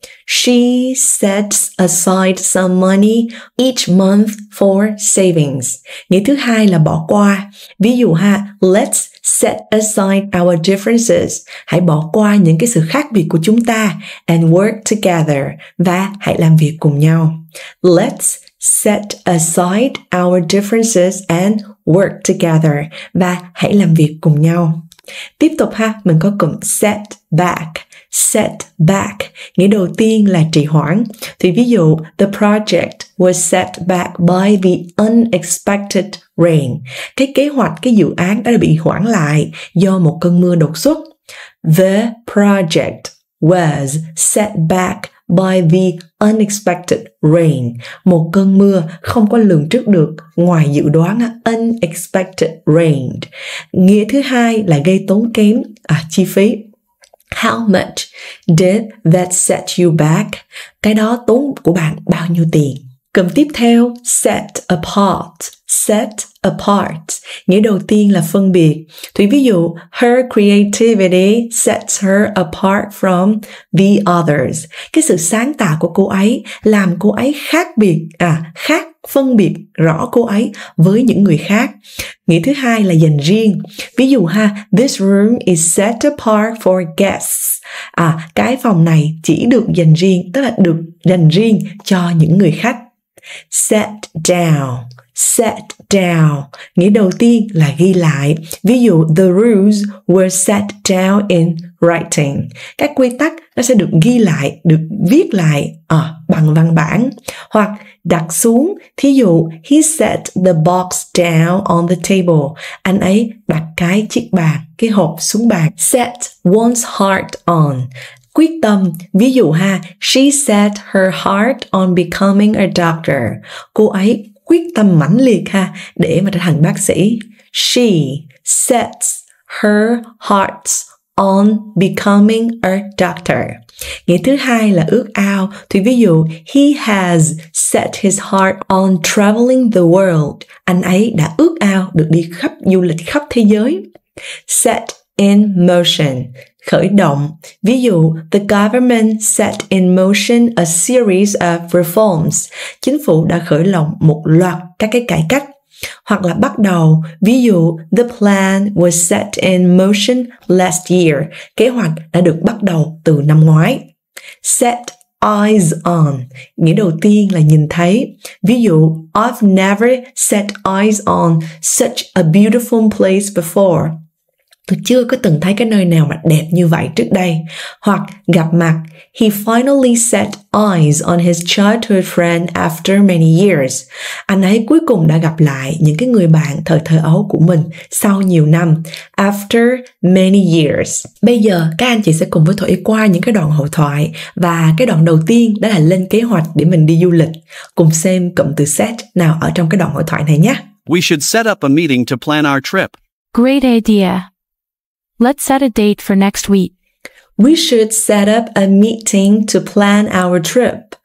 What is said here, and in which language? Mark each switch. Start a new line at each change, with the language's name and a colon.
English: She sets aside some money each month for savings.
Vietnamese: Nghĩa thứ hai là bỏ qua. Ví dụ ha,
English: let's set aside our differences.
Vietnamese: Hãy bỏ qua những cái sự khác biệt của chúng ta
English: and work together.
Vietnamese: Và hãy làm việc cùng nhau.
English: Let's set aside our differences and work together.
Vietnamese: Và hãy làm việc cùng nhau. Tiếp tục ha, mình có cụm set back. Set back, nghĩa đầu tiên là trì hoãn. Thì ví dụ,
English: the project was set back by the unexpected rain.
Vietnamese: Cái kế hoạch, cái dự án đã bị hoãn lại do một cơn mưa đột xuất.
English: The project was set back by the unexpected rain.
Vietnamese: Một cơn mưa không có lường trước được, ngoài dự đoán, unexpected rain. Nghĩa thứ hai là gây tốn kém, chi phí.
English: How much did that set you back?
Vietnamese: Cái đó tốn của bạn bao nhiêu tiền? Cụm tiếp theo, set apart. Set apart. Nghĩa đầu tiên là phân biệt. Thì ví dụ,
English: her creativity sets her apart from the others.
Vietnamese: Cái sự sáng tạo của cô ấy làm cô ấy khác biệt, khác phân biệt rõ cô ấy với những người khác. Nghĩa thứ hai là dành riêng. Ví dụ ha,
English: this room is set apart for guests.
Vietnamese: Cái phòng này chỉ được dành riêng, tức là được dành riêng cho những người khách. Set down. Set down. Nghĩa đầu tiên là ghi lại. Ví dụ,
English: the rules were set down in writing.
Vietnamese: Các quy tắc nó sẽ được ghi lại, được viết lại bằng văn bản. Hoặc đặt xuống. Thí dụ,
English: he set the box down on the table.
Vietnamese: Anh ấy đặt cái chiếc bàn, cái hộp xuống bàn. Set one's heart on. Quyết tâm, ví dụ ha,
English: she set her heart on becoming a doctor.
Vietnamese: Cô ấy quyết tâm mãnh liệt ha, để mà trở thành bác sĩ.
English: She sets her heart on becoming a doctor.
Vietnamese: Nghĩa thứ hai là ước ao. Thì ví dụ,
English: he has set his heart on traveling the world.
Vietnamese: Anh ấy đã ước ao được đi khắp du lịch khắp thế giới.
English: Set in motion.
Vietnamese: Khởi động. Ví dụ,
English: the government set in motion a series of reforms.
Vietnamese: Chính phủ đã khởi động một loạt các cái cải cách. Hoặc là bắt đầu. Ví dụ,
English: the plan was set in motion last year.
Vietnamese: Kế hoạch đã được bắt đầu từ năm ngoái. Set eyes on. Nghĩa đầu tiên là nhìn thấy. Ví dụ,
English: I've never set eyes on such a beautiful place before.
Vietnamese: Tôi chưa có từng thấy cái nơi nào mà đẹp như vậy trước đây. Hoặc gặp mặt.
English: He finally set eyes on his childhood friend after many years.
Vietnamese: Anh ấy cuối cùng đã gặp lại những cái người bạn thời thơ ấu của mình sau nhiều năm.
English: After many years.
Vietnamese: Bây giờ các anh chị sẽ cùng với Thủy qua những cái đoạn hội thoại. Và cái đoạn đầu tiên đó là lên kế hoạch để mình đi du lịch. Cùng xem cụm từ set nào ở trong cái đoạn hội thoại này nhé.
English: We should set up a meeting to plan our trip. Great idea. Let's set a date for next week. We should set up a meeting to plan our trip.